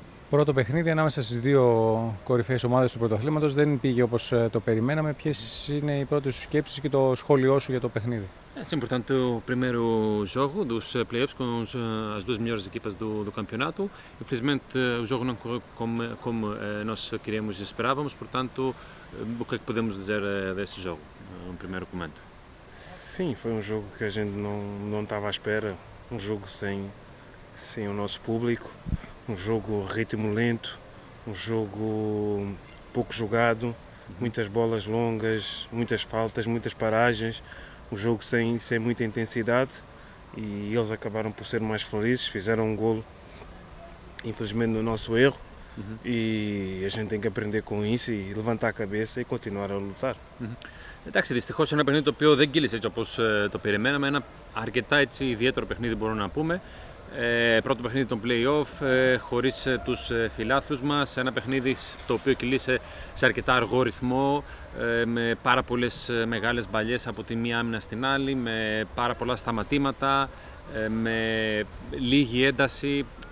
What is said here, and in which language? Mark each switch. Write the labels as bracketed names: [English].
[Greek] Πρώτο παιχνίδι ανάμεσα στις δύο κορυφαίες ομάδες του πρωτοαθλήματος δεν πήγε όπως το περιμέναμε. Ποιες είναι οι πρώτες σου σκέψεις και το σχόλιο σου για το παιχνίδι? [French] C'est important le premier jeu, les playoffs, contre les deux meilleures équipes du championnat. Effectivement, le jeu n'a pas couru comme nous [Portuguese] queríamos [French] et [Portuguese] espérávamos. Portanto, o que é que podemos dizer desse jogo? Um primeiro comentário. Sim, foi um jogo que a gente não estava à espera. Um jogo sem o nosso público. Um jogo ritmo lento. Um jogo pouco jogado. Muitas bolas longas, muitas faltas, muitas paragens. Um jogo sem muita intensidade e eles acabaram por ser mais felizes, fizeram um golo, infelizmente, no nosso erro. E a gente tem que aprender com isso e levantar a cabeça e continuar a lutar. [Greek] Εντάξει, δυστυχώς ένα παιχνίδι το οποίο δεν κύλησε έτσι όπως το περιμέναμε, ένα αρκετά έτσι ιδιαίτερο παιχνίδι μπορούμε να πούμε. Πρώτο παιχνίδι των play-off, χωρίς τους φιλάθλους μας, ένα παιχνίδι το οποίο κυλήσε σε αρκετά αργό ρυθμό, με πάρα πολλές μεγάλες μπαλιές από τη μία άμυνα στην άλλη, με πάρα πολλά σταματήματα, με λίγη ένταση.